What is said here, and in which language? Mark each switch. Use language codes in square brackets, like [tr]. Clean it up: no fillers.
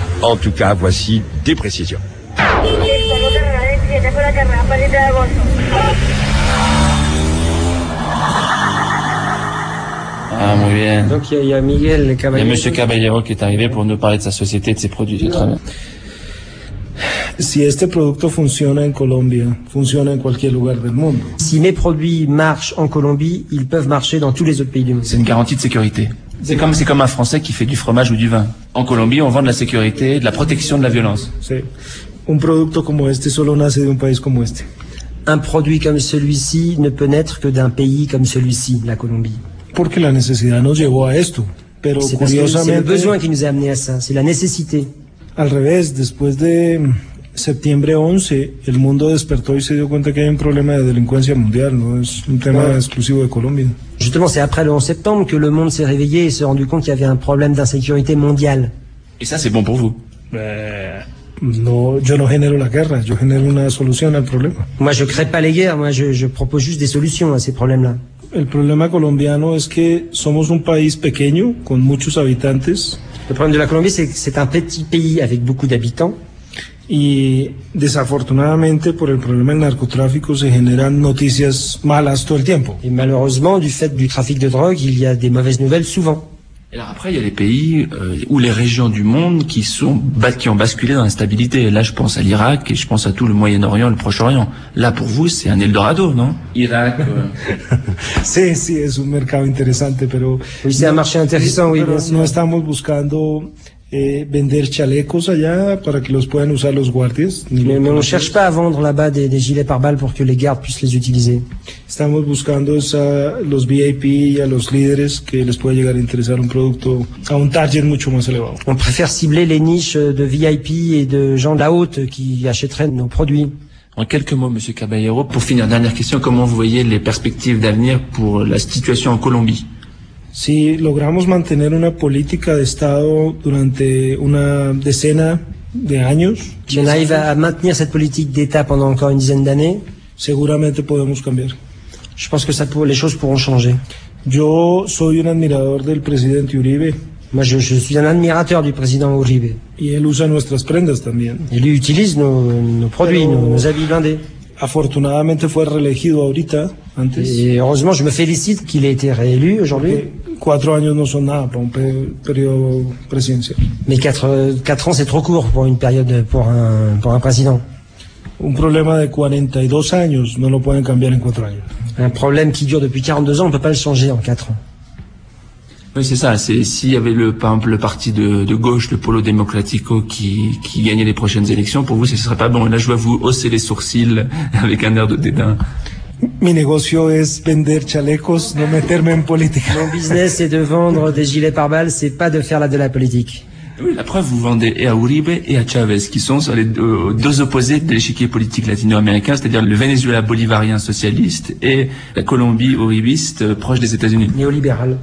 [fr] En tout cas, voici des précisions. Ah, mon bien. Donc, il y a Miguel Caballero. Il y a Monsieur Caballero qui est arrivé pour nous parler de sa société, de ses produits. C'est très bien. [es] Si este producto funciona en Colombia, funciona en cualquier lugar del mundo. [fr] Si mes produits marchent en Colombie, ils peuvent marcher dans tous les autres pays du monde. C'est une garantie de sécurité. C'est comme un Français qui fait du fromage ou du vin. En Colombie, on vend de la sécurité, de la protection de la violence. C'est [es] un producto como este solo nace de un país como este. [fr] Un produit comme celui-ci ne peut naître que d'un pays comme celui-ci, la Colombie. [es] Porque la necesidad nos llevó a esto, pero curiosamente [fr] c'est le besoin qui nous a amené à ça, c'est la nécessité. [es] Al revés, después de septiembre 11, el mundo despertó y se dio cuenta que hay un problema de delincuencia mundial, no es un tema exclusivo de Colombia. [fr] Justement, c'est après le 11 septembre que le monde s'est réveillé et s'est rendu compte qu'il y avait un problème d'insécurité mondiale. Et ça, c'est bon pour vous? [es] No, yo no genero la guerra, yo genero una solución al problema. [fr] Moi, je crée pas les guerres, moi, je propose juste des solutions à ces problèmes-là. [es] El problema colombiano es que somos un país pequeño con muchos habitantes. [fr] Le problème de la Colombie, c'est que c'est un petit pays avec beaucoup d'habitants. [es] Y desafortunadamente, por el problema del narcotráfico, se generan noticias malas todo el tiempo. [fr] Et malheureusement, du fait du trafic de drogue, il y a des mauvaises nouvelles souvent. Et alors après, il y a les pays ou les régions du monde qui ont basculé dans l'instabilité. Là, je pense à l'Irak et je pense à tout le Moyen-Orient, le Proche-Orient. Là, pour vous, c'est un Eldorado, non? Irak. [es] Sí, es un mercado interesante, pero. [fr] Oui, c'est un marché intéressant, oui. [es] Pero no estamos buscando vender chalecos allá para que los puedan usar los guardias. [fr] Mais on ne cherche pas à vendre là-bas des gilets pare-balles pour que les gardes puissent les utiliser. [es] Estamos buscando a los VIP y a los líderes que les pueda llegar a interesar un producto a un target mucho más elevado. [fr] On préfère cibler les niches de VIP et de gens de la haute qui achèteraient nos produits. En quelques mots, Monsieur Caballero, pour finir, dernière question, comment vous voyez les perspectives d'avenir pour la situation en Colombie? [es] Si logramos mantener una política de Estado durante una decena de años, [fr] si on arrive à maintenir cette politique d'État pendant encore une dizaine d'années, [es] seguramente podemos cambiar. [fr] Je pense que les choses pourront changer. [es] Yo soy un admirador del presidente Uribe. [fr] Moi, je suis un admirateur du président Uribe. [es] Y él usa nuestras prendas también. [fr] Il utilise nos produits, nos habits blindés. [es] Afortunadamente fue reelegido ahorita, antes. [fr] Et heureusement, je me félicite qu'il ait été réélu aujourd'hui. [es] Cuatro años no son nada para un periodo presidencial. [fr] Mais quatre ans, c'est trop court pour une période, pour un président. [es] Un problema de 42 años no lo pueden cambiar en 4 años. [fr] Un problème qui dure depuis 42 ans, on ne peut pas le changer en 4 ans. Oui, c'est ça. S'il y avait le parti de gauche, le Polo Democratico, qui gagnait les prochaines élections, pour vous, ce ne serait pas bon. Et là, je vois vous hausser les sourcils avec un air de dédain. [es] Mi negocio es vender chalecos, no meterme en política. [fr] Mon business est de vendre des gilets pare-balles, c'est pas de faire de la politique. Oui, la preuve, vous vendez et à Uribe et à Chavez, qui sont sur les deux opposés de l'échiquier politique latino-américain, c'est-à-dire le Venezuela bolivarien socialiste et la Colombie uribiste proche des États-Unis. Néolibéral.